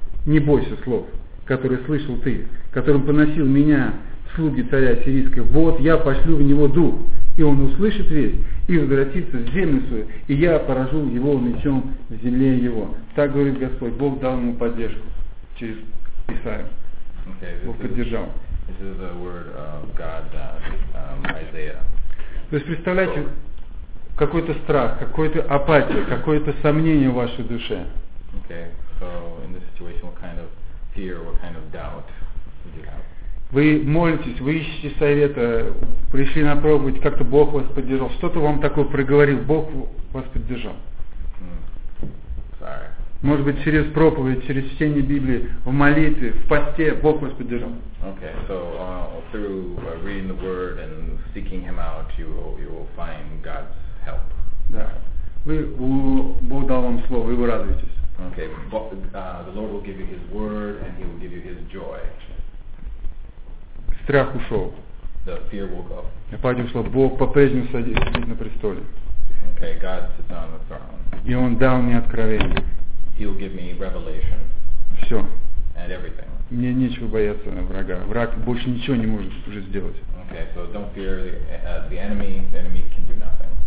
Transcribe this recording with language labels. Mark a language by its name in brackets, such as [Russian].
[Russian] Не бойся слов, которые слышал ты, которым поносил меня слуги царя сирийского. Вот я пошлю в него дух, и он услышит весть и возвратится в землю свою, и я поражу его мечом в земле его. Так говорит Господь, Бог дал ему поддержку через Исаию. [English] Okay, [Russian] Бог поддержал. [English] This is the word of God, Isaiah. [Russian] То есть представляете, какой-то страх, какой-то апатия, какое-то сомнение в вашей душе. [English] Okay. So in this situation, what kind of fear, what kind of doubt do you have? [Russian] Вы молитесь, вы ищете совета, пришли на проповедь, как-то Бог вас поддержал. Что-то вам такое проговорил, Бог вас поддержал. [English] Sorry. [Russian] Может быть, через проповедь, через чтение Библии, в молитве, в посте, Бог вас поддержал. [English] Okay, so through reading the Word and seeking Him out, you will find God's help. [Russian] Да. Бог дал вам слово, и вы радуетесь. [English] Okay, the Lord will give you His word, and He will give you His joy. [Russian] Страх ушел. [English] The fear will go. [Russian] Я понял, что Бог по-прежнему сидит на престоле. [English] Okay, God sits on the throne. [Russian] И Он дал мне откровение. [English] He will give me revelation. [Russian] Все. [English] And everything. [Russian] Мне нечего бояться врага. Враг больше ничего не может уже сделать. [English] Okay, so don't fear the enemy. The enemy can do nothing.